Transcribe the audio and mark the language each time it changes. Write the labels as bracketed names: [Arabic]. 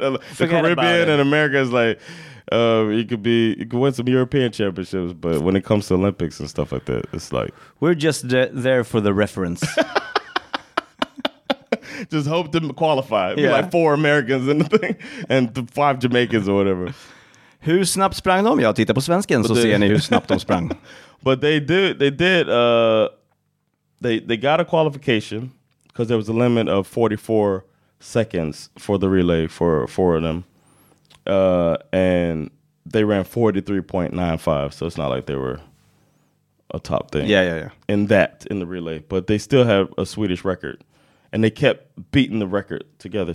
[English] The Caribbean and America is like, you could win some European championships, but when it comes to Olympics and stuff like that, it's like... We're just there for the reference. Just hope to qualify. Yeah. Be like four Americans in the thing and five Jamaicans or whatever. [Swedish] Hur snabbt sprang de? Jag tittar på svensken så ser ni hur snabbt de sprang. [English] But they got a qualification. Because there was a limit of 44 seconds for the relay for four of them. And they ran 43.95. So it's not like they were a top thing. Yeah, yeah, yeah. In the relay. But they still have a Swedish record. And they kept beating the record together.